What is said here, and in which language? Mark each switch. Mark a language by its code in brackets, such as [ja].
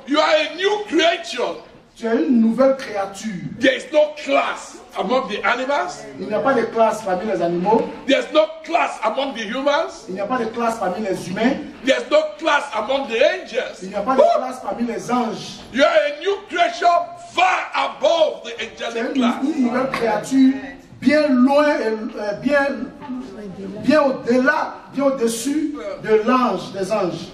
[en] you are a new creature. [fr] Tu es une nouvelle créature. [en] There is no class among the animals. [fr] Il n'y a pas de classe parmi les animaux. [en] There is no class among the humans. [fr] Il n'y a pas de classe parmi les humains. [en] There is no class among the angels. [fr] Il n'y a pas de classe parmi les anges. [en] You are a new creature far above the angelic class. [fr] Tu es une nouvelle créature bien loin et bien bien au-delà, bien au-dessus de l'ange, des anges.